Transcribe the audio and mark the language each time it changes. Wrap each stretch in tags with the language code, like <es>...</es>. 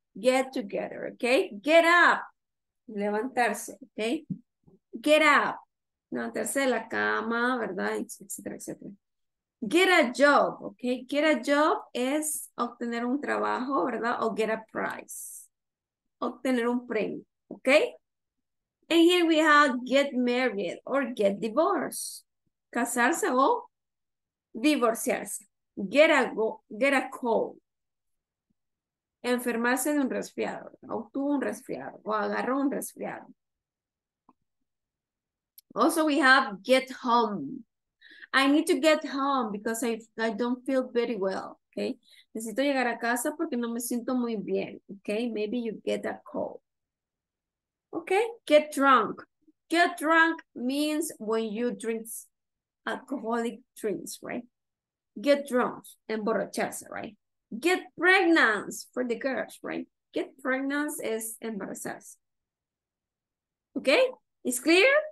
<en>Get together, okay? Get up.</en> <es>Levantarse,</es> <en>okay? Get up.</en> <es>Levantarse de la cama, ¿verdad? Etcétera, etcétera.</es> <en>Get a job,</en> <es>okay?</es> <en>Get a job</en> <es>es obtener un trabajo, ¿verdad? O</es> <en>get a prize.</en> <es>Obtener un premio, okay?</es> <en>And here we have get married or get divorced.</en> <es>Casarse o divorciarse.</es> <en>Get a cold.</en> <es>Enfermarse de un resfriado, obtuvo un resfriado, o agarró un resfriado.</es> <en>Also, we have get home. I need to get home because I don't feel very well, okay?</en> <es>Necesito llegar a casa porque no me siento muy bien, okay?</es> <en>Maybe you get a cold. Okay, get drunk. Get drunk means when you drink alcoholic drinks, right? Get drunk,</en> <es>emborracharse,</es> <en>right? Get pregnant for the girls, right? Get pregnant is</en> <es>embarazarse.</es> <en>Okay? Is clear?</en>